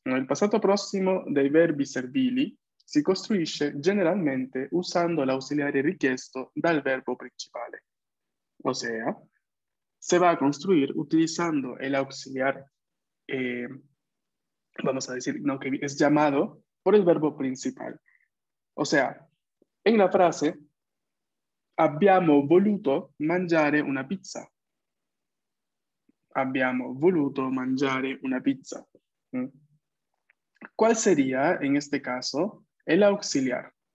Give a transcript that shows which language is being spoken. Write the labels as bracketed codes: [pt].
[es] El pasado próximo de verbi servili se construye generalmente usando el auxiliar richiesto del verbo principal. O sea, se va a construir utilizando el auxiliar, vamos a decir, no, que es llamado por el verbo principal. O sea, en la frase, [it] abbiamo voluto mangiare una pizza. Abbiamo voluto mangiare una pizza. [es] ¿Cuál sería, en este caso, el auxiliar?